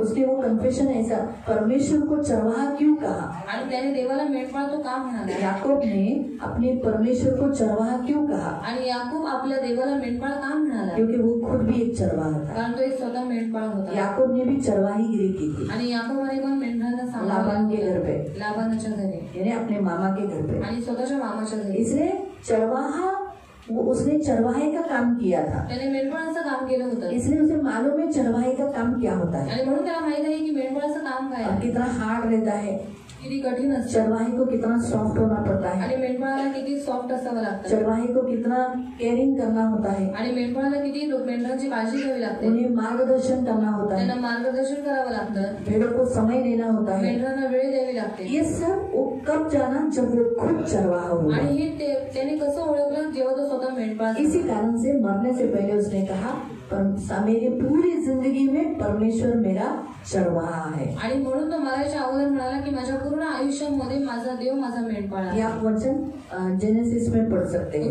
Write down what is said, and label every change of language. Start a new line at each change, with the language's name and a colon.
Hindi: उसके वो कन्फेशन ऐसा, परमेश्वर को चरवाहा क्यों कहा,
Marathi: आणि त्याने देवाला मेंढपाळ तो का म्हणाला,
Hindi: याकूब ने अपने परमेश्वर को चरवाहा क्यों कहा,
Marathi: आणि याकूब आपल्या देवाला मेंढपाळ का म्हणाला,
Hindi: क्योंकि वो खुद भी एक चरवाहा था,
Marathi: कारण तो एक स्वतः मेंढपाळ होता,
Hindi: याकूब ने भी चरवाही गिरी की थी,
Marathi: आणि याकूबाने पण मेंढरांना सांभाळलं,
Hindi: लाबान के घर पे,
Marathi: लाबानच्या घरी,
Hindi: यानी अपने मामा के घर पे,
Marathi: आणि स्वतःच्या मामाच्या घरी,
Hindi: इसलिए चरवाहा वो उसने चरवाहे का काम किया था,
Marathi: त्याने मेंढपाळाचं काम केलं होतं,
Hindi: इसलिए उसे मालूम है चरवाहे का काम क्या होता है,
Marathi: आणि म्हणून त्याला माहित आहे की मेंढपाळाचं काम काय आहे,
Hindi: कितना हार्ड रहता है,
Marathi: किती कठीण असतं,
Hindi: चरवाहे को कितना सॉफ्ट होना पड़ता है,
Marathi: आणि मेंढपाळाला किती सॉफ्ट असावं लागतं,
Hindi: चरवाहे को कितना केअरिंग करना होता है,
Marathi: आणि मेंढपाळाला किती मेंढरांची काळजी घ्यावी लागते,
Hindi: उन्हें मार्गदर्शन करना होता है,
Marathi: त्यांना मार्गदर्शन करावं लागतं,
Hindi: भेड़ों को समय देना होता है,
Marathi: मेंढरांना वेळ द्यावी लागते,
Hindi: ये सब वो कब जाना जब वो खुद चरवाहा होगा,
Marathi: आणि हे त्याने कसं ओळखलं जेव्हा तो स्वतः मेंढपाळ,
Hindi: इसी कारण से मरने से पहले उसने कहा मेरी पूरी जिंदगी में परमेश्वर मेरा चरवाहा है,
Marathi: आणि म्हणून तो मरायच्या अगोदर म्हणाला की माझ्या पूर्ण आयुष्यामध्ये माझा देव माझा मेंढपाळ आहे।
Hindi: आप वचन जेनेसिस में पढ़ सकते हैं,